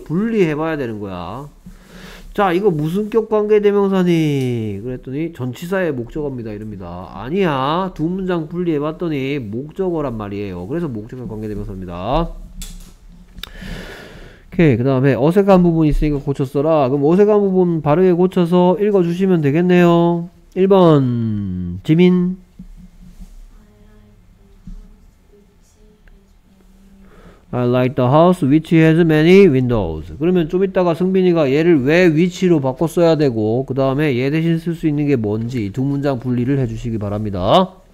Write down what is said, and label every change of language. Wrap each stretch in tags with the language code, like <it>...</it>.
<ko>분리해봐야 되는 거야. 자 이거 무슨 격 관계대명사니 그랬더니 전치사의 목적어입니다 이릅니다. 아니야 두 문장 분리해봤더니 목적어란 말이에요. 그래서 목적격 관계대명사입니다. 오케이. 그 다음에 어색한 부분 있으니까 고쳤어라. 그럼 어색한 부분 바르게 고쳐서 읽어주시면 되겠네요.</ko> <en>1번 지민 I like the house which has many windows.</en> <ko>그러면 좀 이따가 승빈이가 얘를 왜 위치로 바꿨어야 되고 그 다음에 얘 대신 쓸 수 있는 게 뭔지 두 문장 분리를 해주시기 바랍니다.</ko>